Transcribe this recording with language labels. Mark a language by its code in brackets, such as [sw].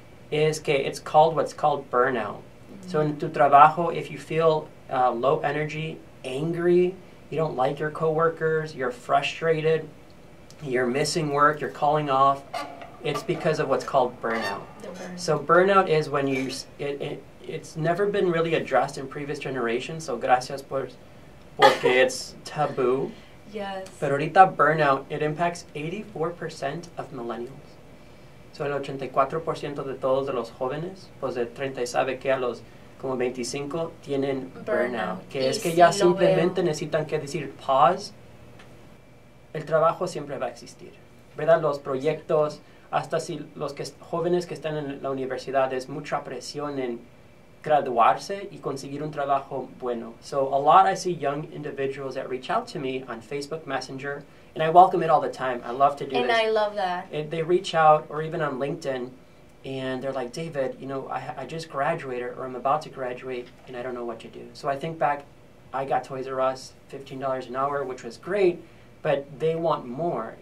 [en] is que it's called what's called burnout. Mm-hmm. So in [es] tu trabajo, [en] if you feel low energy, angry, you don't like your coworkers, you're frustrated, you're missing work, you're calling off, it's because of what's called burnout. So burnout is when you, it's never been really addressed in previous generations, so [es] gracias por, porque [en] it's taboo. Yes. [es] Pero ahorita [en] burnout, it impacts 84% of millennials. [es] So el 84% de todos de los jóvenes, pues de 30 sabe que a los como 25 tienen burnout. Que es que ya simplemente necesitan que decir pause. El trabajo siempre va a existir. ¿Verdad? Los proyectos, hasta si los que jóvenes que están en la universidad, es mucha presión en graduarse y conseguir un trabajo bueno. [en] So a lot I see young individuals that reach out to me on Facebook Messenger, and I welcome it all the time. I love to do this. And I love that. And they reach out, or even on LinkedIn, and they're like, David, you know, I just graduated, or I'm about to graduate, and I don't know what to do. So I think back, I got Toys R Us, $15 an hour, which was great, but they want more.